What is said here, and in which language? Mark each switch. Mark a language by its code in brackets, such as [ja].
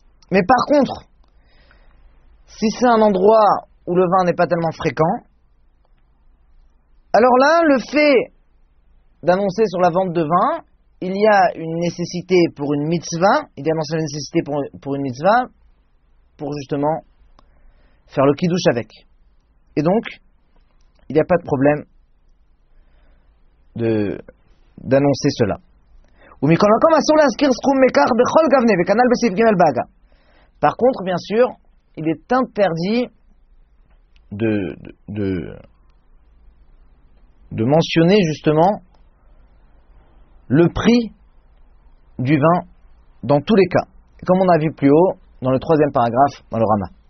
[fr] Mais par contre, si c'est un endroit où le vin n'est pas tellement fréquent, alors là, le fait d'annoncer sur la vente de vin, il y a une nécessité pour une mitzvah, il y a une nécessité pour une mitzvah, pour justement faire le kiddush avec. Et donc, il n'y a pas de problème d'annoncer cela. [he] ומכל מקום אסור להזכיר סכום מכך בכל גוונה, וכנ"ל בסעיף ג' בהגה. [fr] Par contre, bien sûr, il est interdit de mentionner justement le prix du vin dans tous les cas, comme on a vu plus haut dans le troisième paragraphe dans le Rama.